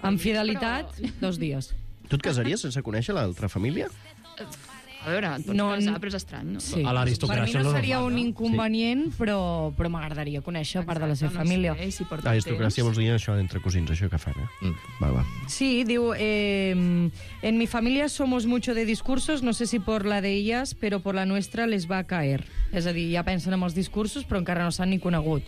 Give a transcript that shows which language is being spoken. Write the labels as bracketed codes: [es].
[ca] Amb fidelitat, dos dies. Tu et casaries sense conèixer l'altra família? A veure, no, casar, però és estrany. No? Sí. A l'aristocràcia. Per mi no seria un inconvenient, sí. però m'agradaria conèixer. Exacte, part de la seva família. No sé, si l'aristocràcia vols dir això entre cosins, això que fan, eh? Mm. Va. Sí, diu... [es] en mi família somos mucho de discursos, no sé si por la de ellas, pero por la nuestra les va a caer. És a dir, ja pensen en els discursos, però encara no s'han ni conegut.